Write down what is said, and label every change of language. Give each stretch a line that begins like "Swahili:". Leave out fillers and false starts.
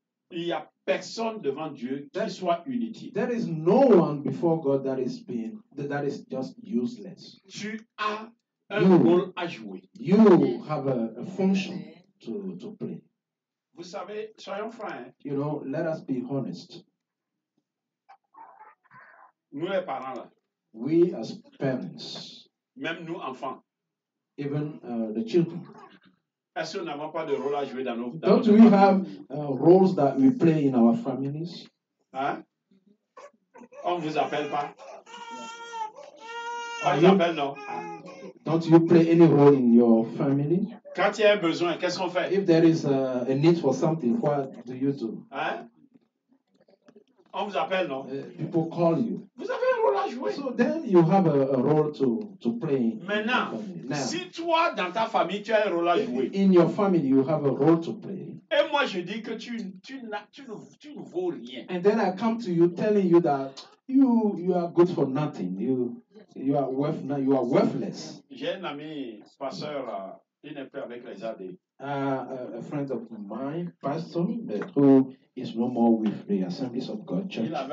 French: Il n'y a personne devant Dieu qui soit inutile.
English: There is no one before God that is just useless.
French: Tu as un rôle à jouer.
English: You have a function to play.
French: Vous savez, soyons francs.
English: You know, let us be honest.
French: Nous les parents là.
English: We as parents.
French: Même nous enfants.
English: Even the children.
French: Est-ce que nous n'avons pas de rôle à jouer dans nos familles?
English: Don't we have roles that we play in our families?
French: Hein? On ne vous appelle pas? On vous appelle non?
English: Don't you play any role in your family?
French: Quand il y a un besoin, qu'est-ce qu'on fait?
English: If there is a need for something, what do you do?
French: Hein? On vous appelle, non?
English: People call you.
French: Vous avez un rôle à jouer.
English: So then you have a role to play.
French: Maintenant,
English: now,
French: si toi, dans ta famille, tu as un rôle à jouer.
English: In your family, you have a role to play.
French: Et moi, je dis que tu ne vaux rien.
English: And then I come to you telling you that you are good for nothing. You are worthless.
French: J'ai un ami, pasteur, il n'est plus avec les AD.
English: A friend of mine, pastor, who is no more with the Assemblies of God Church.